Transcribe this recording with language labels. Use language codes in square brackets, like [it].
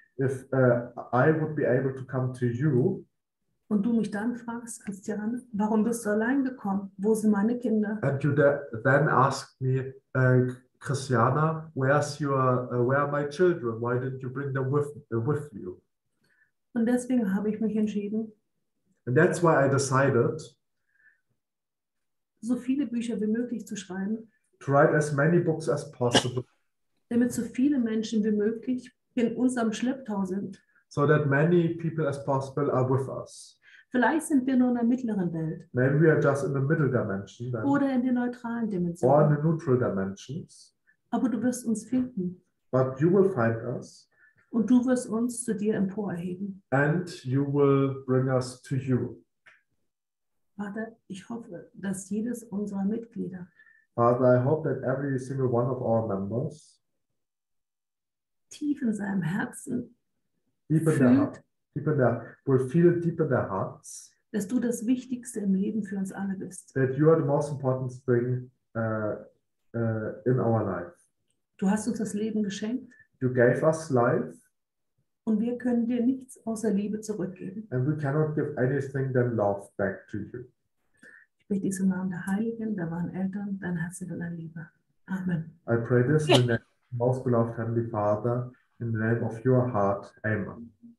[en] If I would be able to come to you. [de] Und du mich dann fragst, Christiane, warum bist du allein gekommen? Wo sind meine Kinder? [en] And you then ask me, Christiana, where are my children? Why didn't you bring them with you? [de] Und deswegen habe ich mich entschieden. [en] And that's why I decided. [de] So viele Bücher wie möglich zu schreiben. [en] To write as many books as possible. [de] Damit so viele Menschen wie möglich in unserem Schlepptau sind. [en] So that many people as possible are with us. [de] Vielleicht sind wir nur in der mittleren Welt. [en] Maybe we are just in the middle dimension. Then. [de] Oder in den neutralen Dimensionen. [en] Or in the neutral dimensions. [de] Aber du wirst uns finden. [en] But you will find us. [de] Und du wirst uns zu dir emporheben. [en] And you will bring us to you. [de] Vater, ich hoffe, dass jedes unserer Mitglieder. [en] Father, I hope that every single one of our members. [de] Tief in seinem Herzen. [en] Deep in their hearts. [de] Dass du das Wichtigste im Leben für uns alle bist. [en] That you are the most important thing in our life. [de] Du hast uns das Leben geschenkt. [en] You gave us life. [de] Und wir können dir nichts außer Liebe zurückgeben. [en] And we cannot give anything than love back to you. [de] Ich bitte dich im Namen der Heiligen, der wahren Eltern, dein Herz und deiner Liebe. [en] Amen. I pray this in the most beloved Heavenly Father, in the name of your heart. Amen.